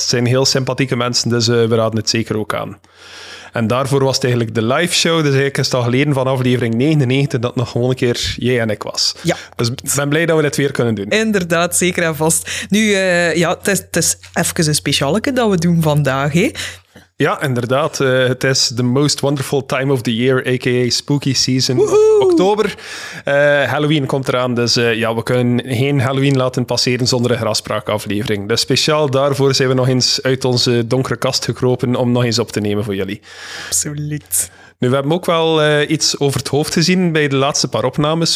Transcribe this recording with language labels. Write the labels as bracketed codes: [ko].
[nl] Het zijn heel sympathieke mensen, dus we raden het zeker ook aan. En daarvoor was het eigenlijk de live show. Dus eigenlijk is het al geleden van aflevering 99 dat nog gewoon een keer jij en ik was. Ja. Dus ik ben blij dat we dit weer kunnen doen. Inderdaad, zeker en vast. Nu, het is even een speciaalke dat we doen vandaag, hè? Ja, inderdaad. Het is [en] the most wonderful time of the year, a.k.a. spooky season. Woehoe! [nl] Oktober. Halloween komt eraan, dus we kunnen geen Halloween laten passeren zonder een grafspraakaflevering. Dus speciaal daarvoor zijn we nog eens uit onze donkere kast gekropen om nog eens op te nemen voor jullie. Absoluut. Nu, we hebben ook wel iets over het hoofd gezien bij de laatste paar opnames.